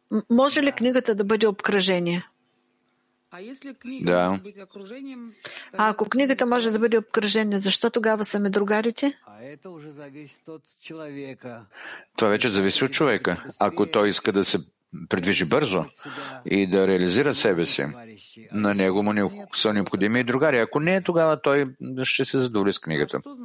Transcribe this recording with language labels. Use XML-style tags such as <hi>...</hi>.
<bg>Може ли книгата да бъде обкръжение?</bg> <ru>А если книга да. может быть окружением?</ru> <bg>А ако книгата може да бъде обкръжение, защо тогава са ми другарите?</bg> <ru>А это уже зависит от человека.</ru> <bg>Това вече зависи от човека. Ако той иска да се придвижи бързо и да реализира себе си, на него му са необходими и другари. Ако не, тогава той ще се задоволи с книгата.</bg>